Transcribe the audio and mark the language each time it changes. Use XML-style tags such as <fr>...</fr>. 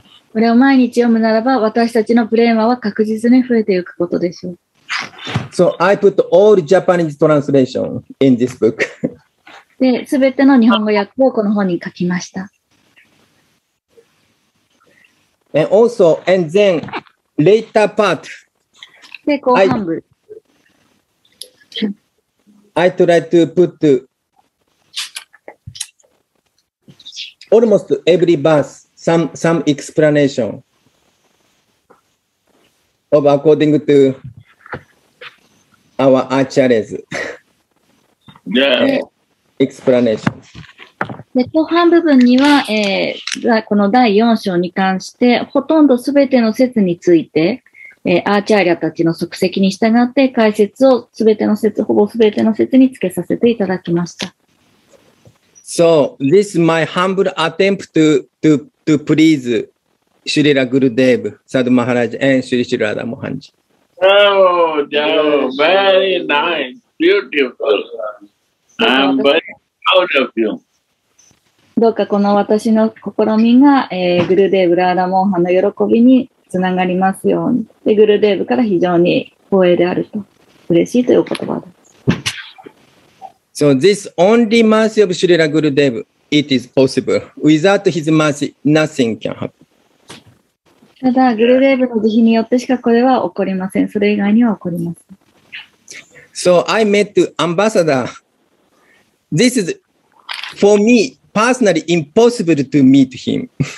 <ja>これを毎日読むならば、私たちのプレマは確実に増えていくことでしょう。</ja> <en>So I put all Japanese translation in this book.</en> <ja>で、すべての日本語訳をこの本に書きました。</ja> <en>And also, and then later part.</en> <ja>で、後半部。</ja> <en>I try to put almost every verse some explanation of according to our acharya's explanation.</en> <ja>で、後半部分には、この第4章に関してほとんど全ての説についてアーチャーリアたちの足跡に従って解説をすべての説、ほぼすべての説につけさせていただきました。</ja> <en>So, this is my humble attempt to please Srila Gurudev, Sadhu Maharaj, and Sri Sri Radha Mohanji. Oh, very nice, beautiful. I'm very proud of you.</en> <ja>どうかこの私の試みが、グルデーブ・ラーダ・モーハンの喜びにつながりますように。で、グルデーブから非常に光栄であると、嬉しいという言葉です。</ja> <en>So this only mercy of Srila Gurudev, it is possible. Without his mercy, nothing can happen.</en> <ja>ただ、グルデーブの慈悲によってしかこれは起こりません。それ以外には起こりません。</ja> <en>So I met ambassador. This is for me. Personally, impossible to meet him.</en>